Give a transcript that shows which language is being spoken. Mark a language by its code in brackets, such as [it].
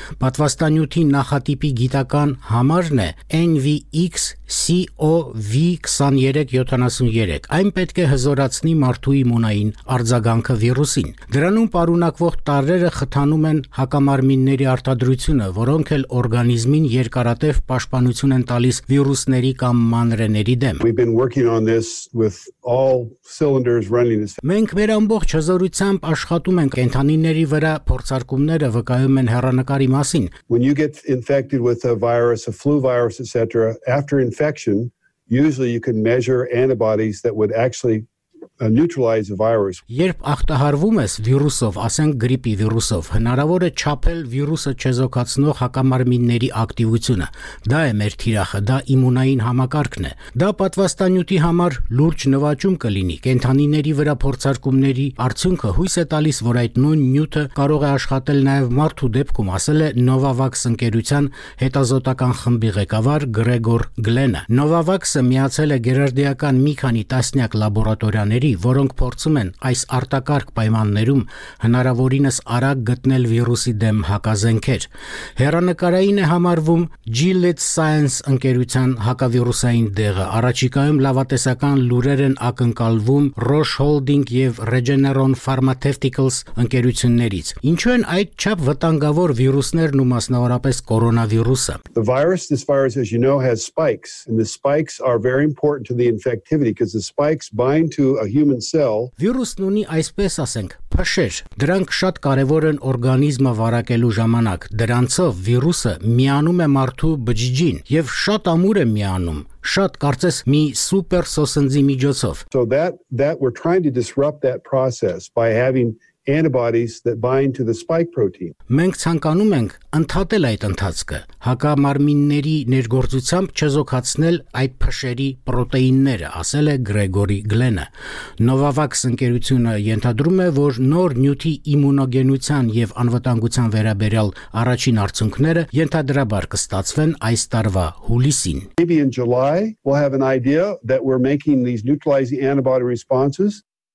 [hy] Պատվաստանյութի նախատիպի գիտական համարն է NVX-CoV-2373։ Այն պետք է հզորացնի մարդու իմունային արձագանքը վիրուսին։ Դրանում պարունակվող տարրերը տանում են հակամարմինների արտադրությունը, որոնք էլ օրգանիզմին երկարատև պաշտպանություն են տալիս վիրուսների կամ մանրեների դեմ։ Մենք մեր ամբողջ հզորությամբ աշխատում ենք կենդանիների վրա, փորձարկումները վկայում են հեռանկարի մասին։ [en] When you get infected with a virus, a flu virus, etc., after infection, usually you can measure antibodies that would actually neutralize the virus. [hy] Երբ ախտահարվում ես վիրուսով, ասենք գրիպի վիրուսով, հնարավոր է չափել վիրուսը չեզոքացնող հակամարմինների ակտիվությունը։ Դա է մեր թիրախը, դա իմունային համակարգն է։ Դա պատվաստանյութի համար լուրջ նվաճում կլինի։ Կենթանիների վրա փորձարկումների արդյունքը հույս է տալիս, որ այդ նույն նյութը կարող է աշխատել նաև մարդու դեպքում, ասել է Novavax ընկերության հետազոտական խմբի ղեկավար Գրեգոր Գլենը։ Novavax-ը միացել է գերարդիական մի քանի տասնյակ լաբորատորիա, որոնք փորձում են այս արտակարգ պայմաններում հնարավորինս արագ գտնել վիրուսի դեմ հակազենքեր։ Հեռանկարային է համարվում Gilead Science ընկերության հակավիրուսային դեղը։ Առաջիկայում լավատեսական լուրեր են ակնկալվում Roche Holding եւ Regeneron Pharmaceuticals ընկերություններից։ Ինչու են այդ չափ վտանգավոր վիրուսներն ու մասնավորապես կորոնավիրուսը։ [en] The virus, this virus, as you know, has spikes, and the spikes are very important to the infectivity because the spikes bind to a human cell. [hy] Վիրուսն ունի, այսպես ասենք, փշեր։ Դրանք շատ կարևոր են օրգանիզմը վարակելու ժամանակ։ Դրանցով վիրուսը միանում է մարդու բջիջին եւ շատ ամուր է միանում, շատ կարծես մի սուպեր սոսնձի միջոցով։ [en] So that we're trying to disrupt that process by having antibodies that bind to the spike protein. [hy] Մենք ցանկանում ենք ընդհատել այդ ընթացքը, հակամարմինների ներգործությամբ չզոհացնել այդ փշերի պրոտեինները, ասել է Գրեգորի Գլենը։ Novavax ընկերությունը ենթադրում է, որ նոր նյութի իմունոգենության եւ անվտանգության վերաբերյալ առաջին արդյունքները ենթադրաբար կստացվեն այս տարվա հուլիսին։ [en] Maybe in July we'll have an idea that we're making these neutralizing antibody responses.